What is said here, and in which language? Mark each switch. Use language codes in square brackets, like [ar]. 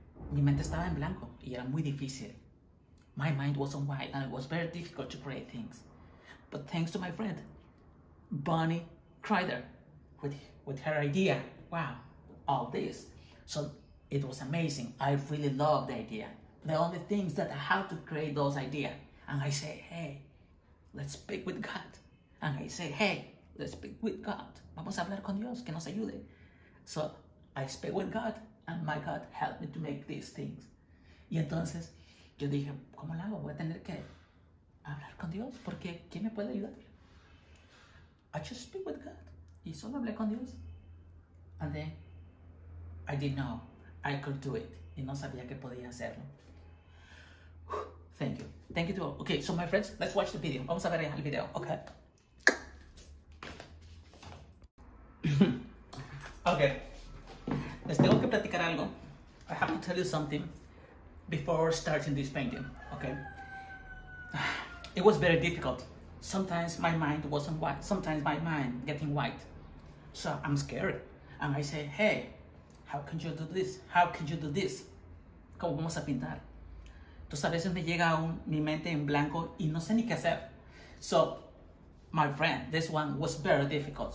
[es] Mi mente estaba en blanco y era muy difícil. [en] My mind was on white and it was very difficult to create things. But thanks to my friend, Bonnie Kreider, with her idea, wow, all this. So it was amazing. I really loved the idea. The only thing is that I have to create those ideas. And I say, hey, let's speak with God. And I say, hey, let's speak with God. [es] Vamos a hablar con Dios, que nos ayude. [en] So I speak with God, and my God helped me to make these things. [es] Y entonces, yo dije, ¿cómo lo hago? Voy a tener que hablar con Dios, porque ¿quién me puede ayudar? [en] I just speak with God. [es] Y solo hablé con Dios. [en] And then, I didn't know I could do it. [es] Y no sabía que podía hacerlo. [en] Thank you. Thank you to all. Okay, so my friends, let's watch the video. [es] Vamos a ver el video, [en] okay? [es] Okay. Les tengo que platicar algo. [en] I have to tell you something before starting this painting, okay? It was very difficult. Sometimes my mind wasn't white. Sometimes my mind getting white. So I'm scared. And I say, hey, how can you do this? How can you do this? [es] ¿Cómo vamos a pintar? Entonces a veces me llega mi mente en blanco y no sé ni qué hacer. [en] So, my friend, this one was very difficult.